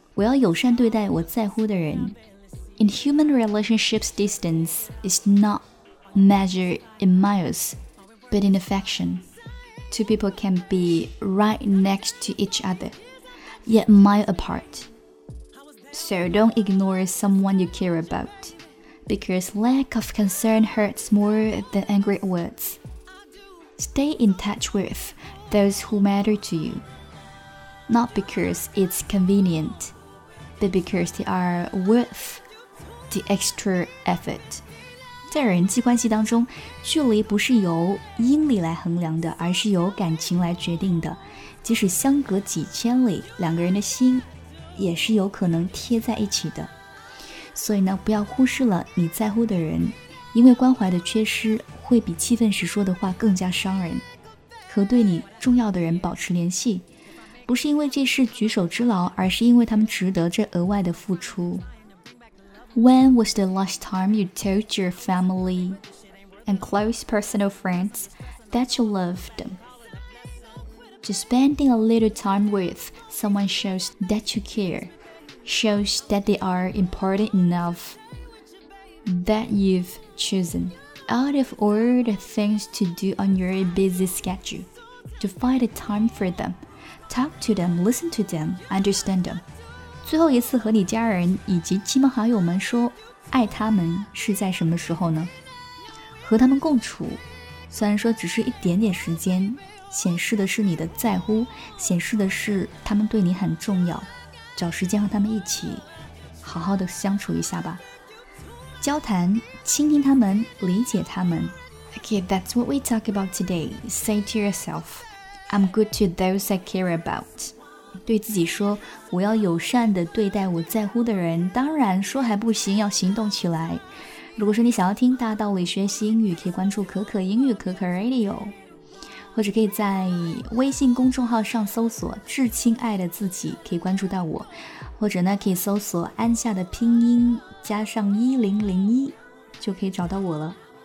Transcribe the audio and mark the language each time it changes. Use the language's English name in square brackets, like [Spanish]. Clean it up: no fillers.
[Chinese] 我要友善对待我在乎的人。 [English] In human relationships, distance is not measured in miles, but in affection. Two people can be right next to each other, yet mile apart. So don't ignore someone you care about, because lack of concern hurts more than angry words. Stay in touch with those who matter to you, not because it's convenient, but because they are worth the extra effort. [Chinese] 在人际关系当中，距离不是由英里来衡量的，而是由感情来决定的。即使相隔几千里，两个人的心也是有可能贴在一起的，所以呢，不要忽视了你在乎的人，因为关怀的缺失会比气愤时说的话更加伤人。和对你重要的人保持联系，不是因为这是举手之劳，而是因为他们值得这额外的付出。 [English] When was the last time you told your family and close personal friends that you love them? Just spending a little time with someone shows that you care, shows that they are important enough that you've chosen. Out of all the things to do on your busy schedule, to find a time for them, talk to them, listen to them, understand them. [Chinese] 最后一次和你家人以及亲朋好友们说爱他们是在什么时候呢？和他们共处，虽然说只是一点点时间，显示的是你的在乎，显示的是他们对你很重要，找时间和他们一起好好的相处一下吧。交谈，倾听他们，理解他们。 [English] Okay, that's what we talk about today. Say to yourself, I'm good to those I care about. [Chinese] 对自己说，我要友善的对待我在乎的人。当然说还不行，要行动起来。如果说你想要听大道理学习英语，可以关注可可英语可可 Radio，或者可以在微信公众号上搜索至亲爱的自己，可以关注到我，或者呢可以搜索安夏的拼音加上1001就可以找到我了。